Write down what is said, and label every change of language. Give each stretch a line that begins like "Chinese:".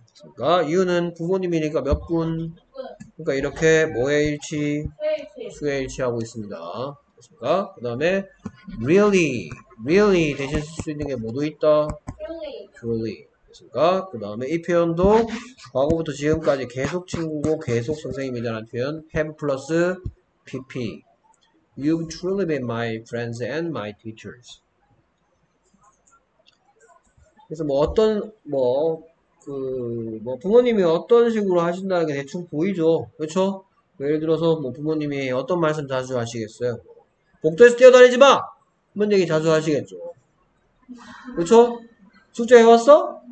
Korean: 그러니까 you는 부모님이니까 몇 분. 그러니까 이렇게 뭐의 일치, 수의 일치하고 있습니다. 그렇습니까? 그 다음에 really 대신 쓸수 있는 게 모두 있다. Truly. 그렇습니까? 그 다음에 이 표현도 과거부터 지금까지 계속 친구고 계속 선생님이라는 표현 have 플러스 pp.
English: You've truly been my friends and my teachers.
Korean: 그래서 뭐 어떤 뭐그뭐 부모님이 어떤 식으로 하신다는 게 대충 보이죠? 그렇죠? 예를 들어서 뭐 부모님이 어떤 말씀 자주 하시겠어요? 복도에서 뛰어다니지 마! 이런 얘기 자주 하시겠죠? 그렇죠? 숙제 해왔어?